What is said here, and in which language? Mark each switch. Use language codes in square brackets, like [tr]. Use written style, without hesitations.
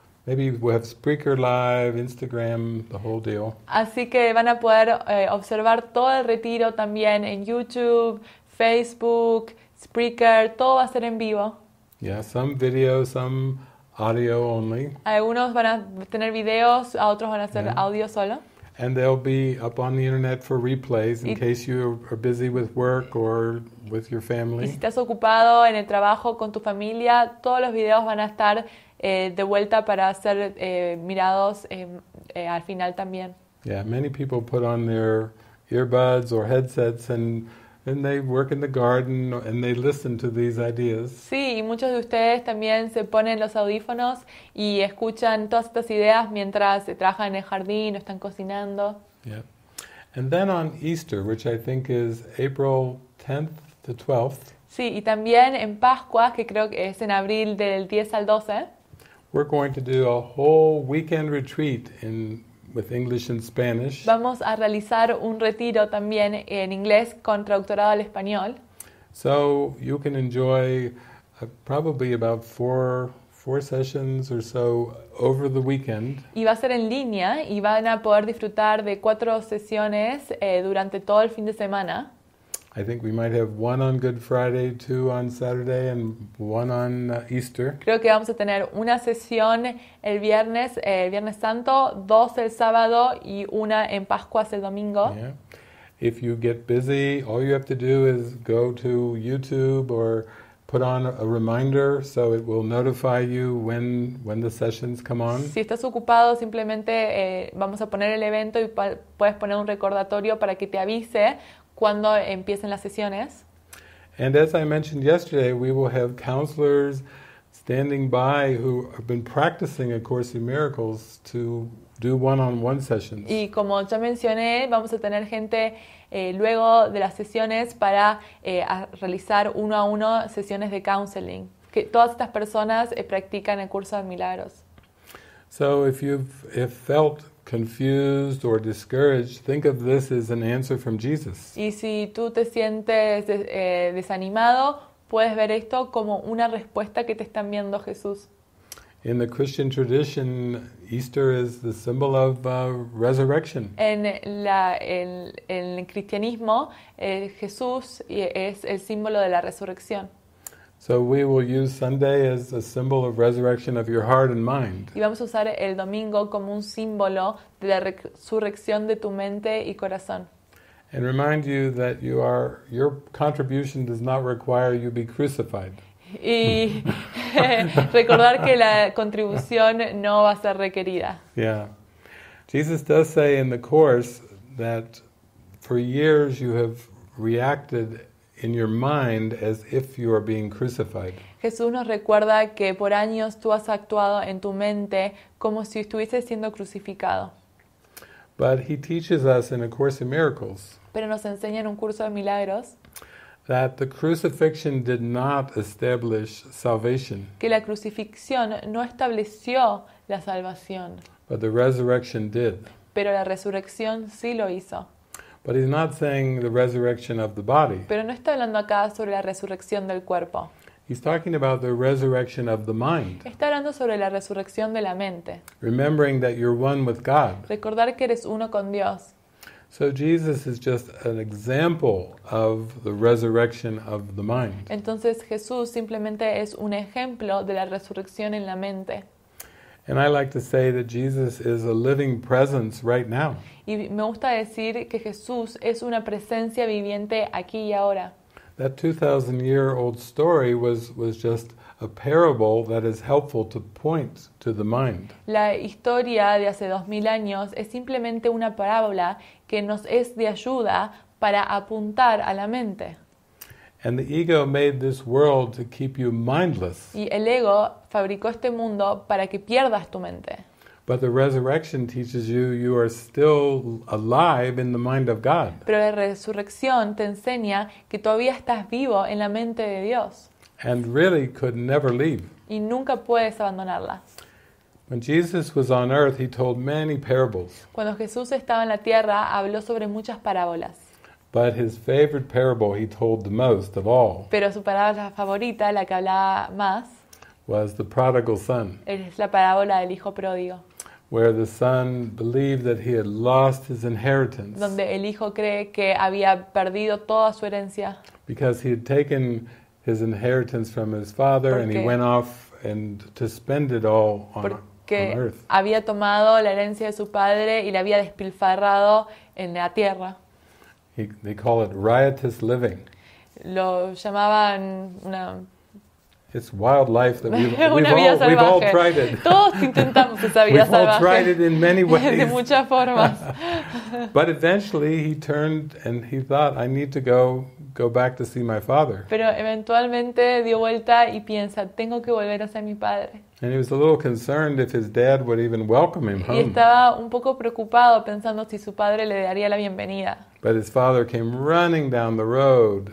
[en] Maybe we have Spreaker Live, Instagram, the whole deal. [es] Así que van a poder observar todo el retiro también en YouTube, Facebook, Spreaker, todo va a ser en vivo. [en] Yeah, some video, some audio only. [es] Algunos van a tener videos, a otros van a hacer audio solo. [en] And they'll be up on the internet for replays in case you are busy with work or with your family. [es] Y si estás ocupado en el trabajo con tu familia, todos los videos van a estar de vuelta para ser mirados al final también. [en] Yeah, many people put on their earbuds or headsets and they work in the garden and they listen to these ideas. [es] Sí, y muchos de ustedes también se ponen los audífonos y escuchan todas estas ideas mientras trabajan en el jardín o están cocinando. [en] Yeah. And then on Easter, which I think is April 10th to 12th. [es] Sí, y también en Pascua, que creo que es en abril del 10 al 12. [en] We're going to do a whole weekend retreat in with English and Spanish. [es] Vamos a realizar un retiro también en inglés con traductorado al español. [en] So you can enjoy probably about four sessions or so over the weekend. [es] Y va a ser en línea y van a poder disfrutar de 4 sesiones durante todo el fin de semana. [en] I think we might have one on Good Friday, 2 on Saturday, and 1 on Easter. [es] Creo que vamos a tener una sesión el Viernes Santo, 2 el sábado y una en Pascuas el domingo. [en] Yeah. If you get busy, all you have to do is go to YouTube or put on a reminder so it will notify you when the sessions come on. [es] Si estás ocupado, simplemente vamos a poner el evento y puedes poner un recordatorio para que te avise cuando empiecen las sesiones. [en] And as I mentioned yesterday, we will have counselors standing by who have been practicing A Course in Miracles to do one-on-one sessions. [es] Y como ya mencioné, vamos a tener gente luego de las sesiones para realizar uno a uno sesiones de counseling. Que todas estas personas practican el curso de milagros. [en] So if you've felt confused or discouraged, think of this as an answer from Jesus. [es] Y si tú te sientes desanimado, puedes ver esto como una respuesta que te está enviando Jesús. [en] In the Christian tradition, Easter is the symbol of resurrection. [es] En el cristianismo, Jesús es el símbolo de la resurrección. [en] So we will use Sunday as a symbol of resurrection of your heart and mind. [es] Y vamos a usar el domingo como un símbolo de la resurrección de tu mente y corazón. [en] And remind you that your contribution does not require you be crucified. [es] Y recordar que la contribución no va a ser requerida. [en] Yeah. Jesus does say in the Course that for years you have reacted in your mind as if you are being crucified. [es] Jesús nos recuerda que por años tú has actuado en tu mente como si estuviese siendo crucificado. [en] But he teaches us in A Course in Miracles. [es] Pero nos enseña en un curso de milagros. [en] That the crucifixion did not establish salvation. [es] Que la crucifixión no estableció la salvación. [en] But the resurrection did. [es] Pero la resurrección sí lo hizo. [en] But he's not saying the resurrection of the body. [es] Pero no está hablando acá sobre la resurrección del cuerpo. [en] He's talking about the resurrection of the mind. [es] Está hablando sobre la resurrección de la mente. [en] Remembering that you're one with God. [es] Recordar que eres uno con Dios. [en] So Jesus is just an example of the resurrection of the mind. [es] Entonces Jesús simplemente es un ejemplo de la resurrección en la mente. [en] And I like to say that Jesus is a living presence right now. [es] Y me gusta decir que Jesús es una presencia viviente aquí y ahora. [en] That 2,000-year-old story was just a parable that is helpful to point to the mind. [es] La historia de hace 2,000 años es simplemente una parábola que nos es de ayuda para apuntar a la mente. [en] And the ego made this world to keep you mindless. [es] Y el ego fabricó este mundo para que pierdas tu mente. [en] But the resurrection teaches you are still alive in the mind of God. [es] Pero la resurrección te enseña que todavía estás vivo en la mente de Dios. [en] And really could never leave. [es] Y nunca puedes abandonarla. [en] When Jesus was on earth, he told many parables. [es] Cuando Jesús estaba en la tierra, habló sobre muchas parábolas. [en] But his favorite parable he told the most of all. [es] Pero su parábola favorita, la que hablaba más, [en] was the prodigal son. [es] Es la parábola del hijo pródigo. [en] Where the son believed that he had lost his inheritance. [es] Donde el hijo cree que había perdido toda su herencia. [en] Because he had taken his inheritance from his father and he went off and to spend it all on earth. [es] Porque había tomado la herencia de su padre y la había despilfarrado en la tierra. [en] They call it riotous living. [es] Lo llamaban una... [en] It's wild life that we've all tried it. [es] Todos intentamos esa vida salvaje. [en] We've all tried it in many ways. [es] De muchas formas. [en] But eventually he turned and he thought, I need to go go back to see my father. [es] Pero eventualmente dio vuelta y piensa, tengo que volver a ver a mi padre. [en] And he was a little concerned if his dad would even welcome him home. [es] Y estaba un poco preocupado pensando si su padre le daría la bienvenida. [en] But his father came running down the road.